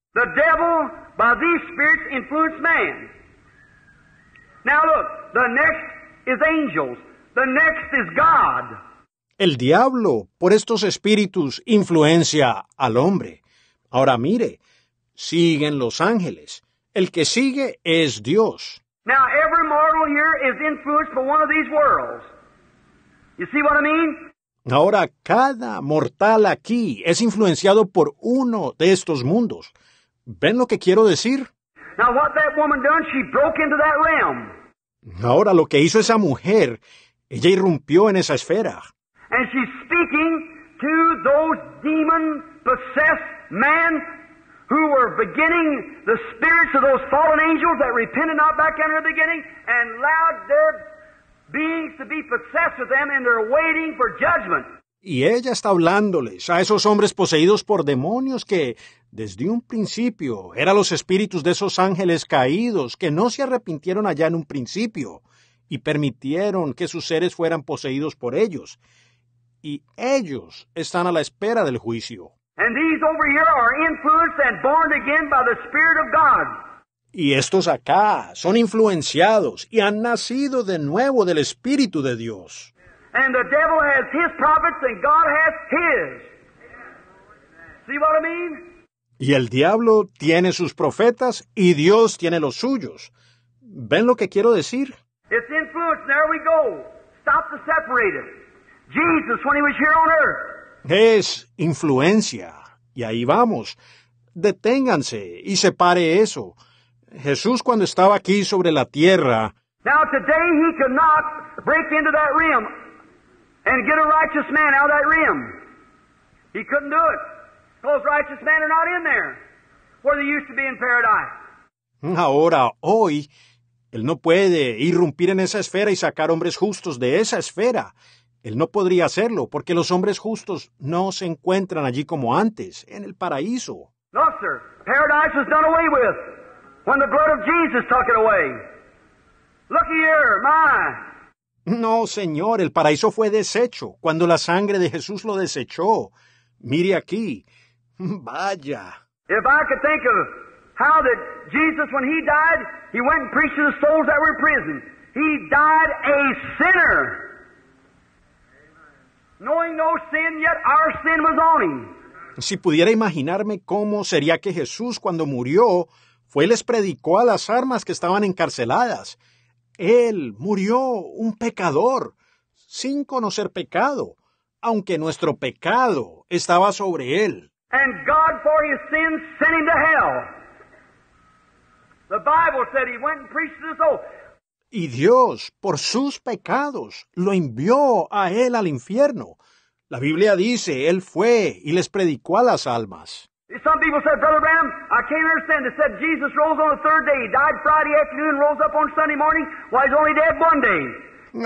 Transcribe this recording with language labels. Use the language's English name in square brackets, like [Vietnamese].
[English] The devil, by these spirits, influences man. Now look, the next is angels. The next is God. [Spanish] El diablo, por estos espíritus, influencia al hombre. Ahora mire, siguen los ángeles. El que sigue es Dios. [English] Now every mortal here is influenced by one of these worlds. You see what I mean? [Spanish] Ahora cada mortal aquí es influenciado por uno de estos mundos. ¿Ven lo que quiero decir? [English] Now what that woman done, she broke into that realm. [Spanish] Ahora, lo que hizo esa mujer, ella irrumpió en esa esfera. [English] And she's speaking to those demon-possessed men who were beginning the spirits of those fallen angels that repented not back in the beginning and allowed their beings to be possessed with them and they're waiting for judgment. [Spanish] Y ella está hablándoles a esos hombres poseídos por demonios que desde un principio eran los espíritus de esos ángeles caídos que no se arrepintieron allá en un principio y permitieron que sus seres fueran poseídos por ellos. Y ellos están a la espera del juicio. [English] And these over here are influenced and born again by the Spirit of God. [Spanish] Y estos acá son influenciados y han nacido de nuevo del Espíritu de Dios. [English] And the devil has his prophets and God has his. See what I mean? [Spanish] Y el diablo tiene sus profetas y Dios tiene los suyos. ¿Ven lo que quiero decir? [English] It's influence. There we go. Stop the separated. Jesus, when he was here on earth. [Spanish] Es influencia. Y ahí vamos. Deténganse y separe eso. Jesús, cuando estaba aquí sobre la tierra. [English] Now today he cannot break into that realm. And get a righteous man out of that rim. He couldn't do it. Those righteous men are not in there where they used to be in paradise. [Spanish] Ahora, hoy, Él no puede irrumpir en esa esfera y sacar hombres justos de esa esfera. Él no podría hacerlo porque los hombres justos no se encuentran allí como antes, en el paraíso. [English] No, sir. Paradise was done away with when the blood of Jesus took it away. Look here, my. [Spanish] No, señor, el paraíso fue deshecho cuando la sangre de Jesús lo desechó. Mire aquí. Vaya. [English] If I could think of how that Jesus, when he died, he went and preached to the souls that were in prison. He died a sinner. Knowing no sin, yet our sin was on him. [Spanish] Si pudiera imaginarme cómo sería que Jesús, cuando murió, fue y les predicó a las almas que estaban encarceladas. Él murió un pecador, sin conocer pecado, aunque nuestro pecado estaba sobre él. [English] And God, for his sin, sent him to hell. The Bible said he went and preached to the soul. [Spanish] Y Dios, por sus pecados, lo envió a él al infierno. La Biblia dice, él fue y les predicó a las almas. [English] Some people said, Brother Branham, I can't understand. They said, Jesus rose on the third day. He died Friday afternoon, rose up on Sunday morning. Why, he's only dead one day.